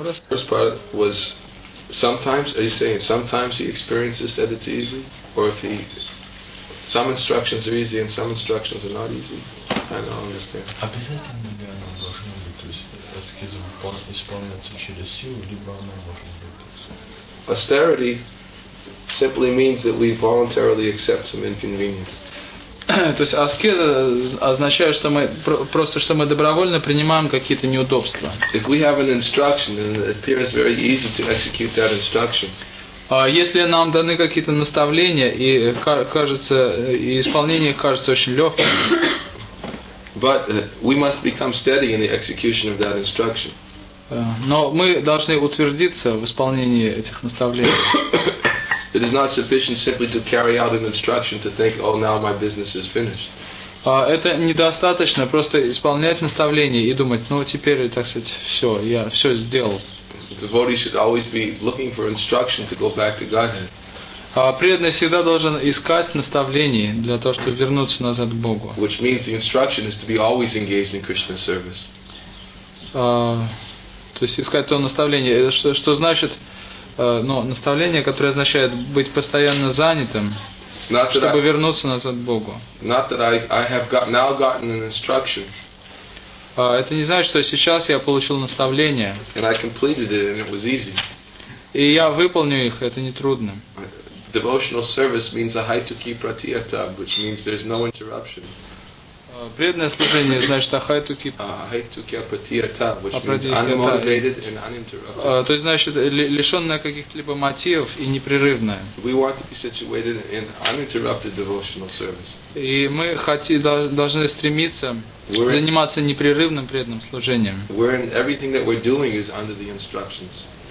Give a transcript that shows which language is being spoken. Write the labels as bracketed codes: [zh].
[en] First part was, sometimes, are you saying, sometimes he experiences that it's easy? Or if he, some instructions are easy and some instructions are not easy? I don't understand. [ru] Обязательно ли она должна быть, то есть аскеза исполняется через силу, либо она может быть? [en] Austerity simply means that we voluntarily accept some inconvenience. [ru] То есть аскеза означает, что мы просто, что мы добровольно принимаем какие-то неудобства. [en] If we have an instruction and it appears very easy to execute that instruction. [ru] Если нам даны какие-то наставления и кажется, и исполнение их кажется очень легким. [en] But we must become steady in the execution of that instruction. [ru] Но мы должны утвердиться в исполнении этих наставлений. [en] It is not sufficient simply to carry out an instruction to think, "Oh, now my business is finished." [ru] Это недостаточно просто исполнять наставление и думать, ну теперь, так сказать, все, я все сделал. [en] Devotee should always be looking for instruction to go back to Godhead. [ru] Преданный всегда должен искать наставление для того, чтобы вернуться назад к Богу. [en] Which means the instruction is to be always engaged in Krishna service. [ru] То есть искать то наставление. Что значит наставление, которое означает быть постоянно занятым, чтобы вернуться назад к Богу. [en] Not that I have now gotten an instruction. [ru] Это не значит, что сейчас я получил наставление. [en] And I completed it and it was easy. [ru] И я выполню их, это не трудно. [en] Devotional service means a haituki pratyata, which means there's no interruption. [ru] Преданное служение значит ахайтуки [en] апатията, which means unmotivated and uninterrupted. [ru] То есть значит лишенное каких-либо мотивов и непрерывное. [en] We want to be situated in uninterrupted devotional service. [ru] И мы должны стремиться заниматься непрерывным преданным служением. [en] Everything that we're doing is under the instructions.